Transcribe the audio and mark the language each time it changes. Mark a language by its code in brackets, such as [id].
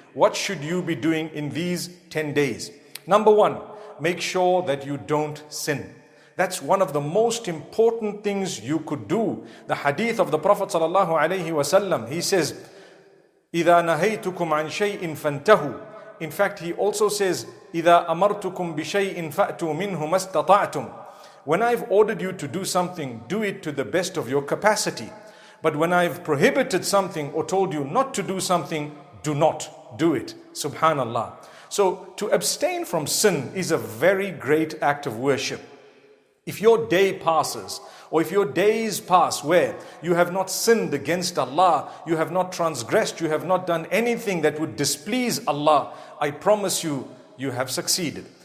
[en] What should you be doing in these 10 days? Number one, make sure that you don't sin. That's one of the most important things you could do. The hadith of the Prophet sallallahu alaihi wasallam, he says, [ar] إِذَا نَهَيْتُكُمْ عَنْ شَيْءٍ فَانْتَهُوا. [en] In fact, he also says, [ar] إِذَا أَمَرْتُكُمْ بِشَيْءٍ فَأْتُوا مِنْهُ مَا اسْتَطَعْتُمْ. [en] When I've ordered you to do something, do it to the best of your capacity. But when I've prohibited something or told you not to do something, do not do it. Subhanallah. So to abstain from sin is a very great act of worship. If your day passes, or if your days pass where you have not sinned against Allah, you have not transgressed, you have not done anything that would displease Allah, I promise you, you have succeeded.